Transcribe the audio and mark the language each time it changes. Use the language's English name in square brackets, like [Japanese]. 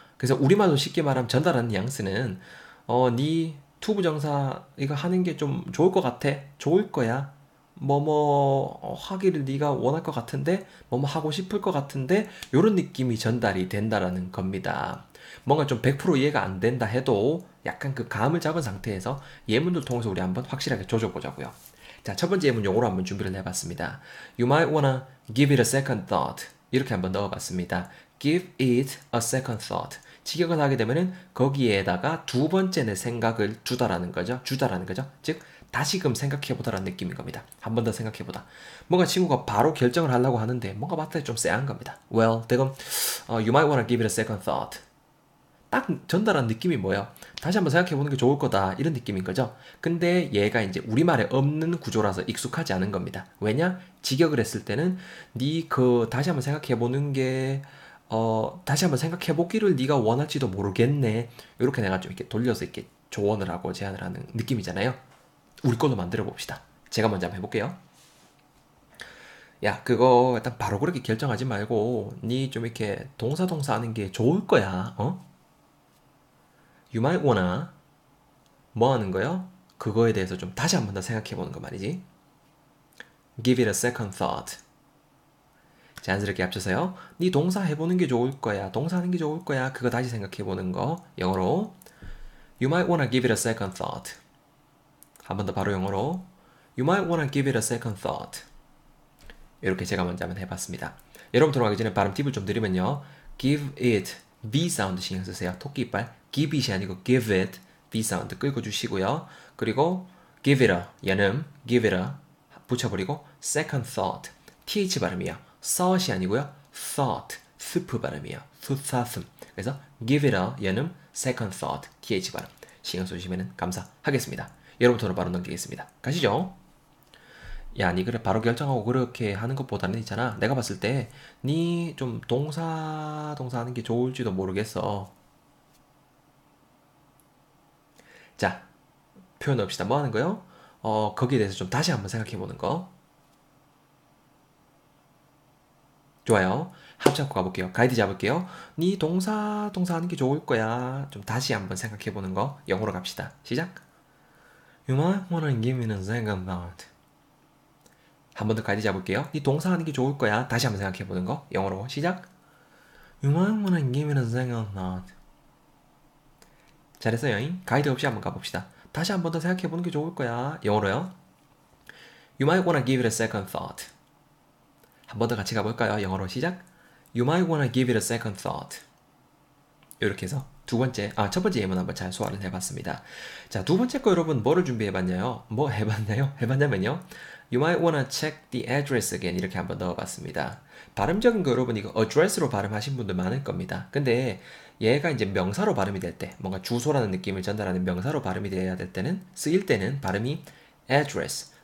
[Korean] 그래서 우리말로 쉽게 말하면 전달하는 뉘앙스는 니 to 부정사 이거 하는 게좀 좋을 것 같아, 좋을 거야, 뭐뭐 하기를 네가 원할 것 같은데, 뭐뭐 하고 싶을 것 같은데, 요런 느낌이 전달이 된다라는 겁니다. 뭔가 좀100% 이해가 안 된다 해도 약간 그 감을 잡은 상태에서 예문들 통해서 우리 한번 확실하게 조져보자고요. 자, 첫 번째 예문 요거로 한번 준비를 해봤습니다. [English] You might wanna give it a second thought. [Korean] 이렇게 한번 넣어봤습니다. [English] Give it a second thought. [Korean] 직역을 하게 되면은 거기에다가 두 번째 내 생각을 두다라는 거죠. 주다라는 거죠. 즉, 다시금 생각해보다라는 느낌인 겁니다. 한번더 생각해보다. 뭔가 친구가 바로 결정을 하려고 하는데 뭔가 맞다 좀 쎄한 겁니다. [English] Well, 대금, you might wanna give it a second thought. [Korean] 딱 전달한 느낌이 뭐예요? 다시 한번 생각해보는 게 좋을 거다. 이런 느낌인 거죠. 근데 얘가 이제 우리말에 없는 구조라서 익숙하지 않은 겁니다. 왜냐? 직역을 했을 때는 니그 다시 한번 생각해보는 게 다시 한번 생각해보기를 네가 원할지도 모르겠네. 이렇게 내가 좀 이렇게 돌려서 이렇게 조언을 하고 제안을 하는 느낌이잖아요. 우리 걸로 만들어 봅시다. 제가 먼저 한번 해볼게요. 야, 그거 일단 바로 그렇게 결정하지 말고 네좀 이렇게 동사 하는 게 좋을 거야. 어? [English] You might wanna [Korean] 뭐 하는 거요? 그거에 대해서 좀 다시 한번 더 생각해보는 거 말이지. [English] Give it a second thought. [Korean] 자연스럽게 합쳐서요. 네 동사 해보는 게 좋을 거야. 동사 하는 게 좋을 거야. 그거 다시 생각해보는 거. 영어로. [English] You might wanna give it a second thought. [Korean] 한번더 바로 영어로. [English] You might wanna give it a second thought. [Korean] 이렇게 제가 먼저 한번 해봤습니다. 여러분 들어가기 전에 발음 팁을 좀 드리면요. Give it V 사운드 신경 쓰세요. 토끼 이빨. Give it이 아니고 give it V 사운드 긁어주시고요. 그리고 give it a. 얘는 give it a. 붙여버리고 second thought. TH 발음이요. thought이 아니고요. thought, sup 발음이에요. thusasum. 그래서 give it a 얘는 second thought, th 발음. 신경 써주시면 감사하겠습니다. 여러분 돈을 바로 넘기겠습니다. 가시죠. 야, 니 그래 바로 결정하고 그렇게 하는 것보다는 있잖아. 내가 봤을 때니좀 동사 하는 게 좋을지도 모르겠어. 자, 표현해봅시다. 뭐 하는 거요? 거기에 대해서 좀 다시 한번 생각해 보는 거. 좋아요. 합창 갖고 가볼게요. 가이드 잡을게요. 니 동사 하는 게 좋을 거야. 좀 다시 한번 생각해 보는 거. 영어로 갑시다. 시작. [English] You might wanna give me a second thought. [Korean] 한번더 가이드 잡을게요. 니 동사 하는 게 좋을 거야. 다시 한번 생각해 보는 거. 영어로 시작. [English] You might wanna give me a second thought. [Korean] 잘했어요잉. 가이드 없이 한번 가봅시다. 다시 한번 더 생각해 보는 게 좋을 거야. 영어로요. [English] You might wanna give it a second thought. [Korean] 한번더 같이 가볼까요? 영어로 시작. [English] You might wanna give it a second thought. [Korean] 이렇게 해서 두 번째, 첫 번째 예문 한번 잘 소화를 해봤습니다. 자, 두 번째 거 여러분 뭐를 준비해봤냐요? 뭐 해봤나요? 해봤냐면요. [English] You might wanna check the address again. [Korean] 이렇게 한번 넣어봤습니다. 발음적인 거 여러분 이거 address로 발음하신 분들 많을 겁니다. 근데 얘가 이제 명사로 발음이 될 때, 뭔가 주소라는 느낌을 전달하는 명사로 발음이 돼야 될 때는, 쓰일 때는 발음이 address.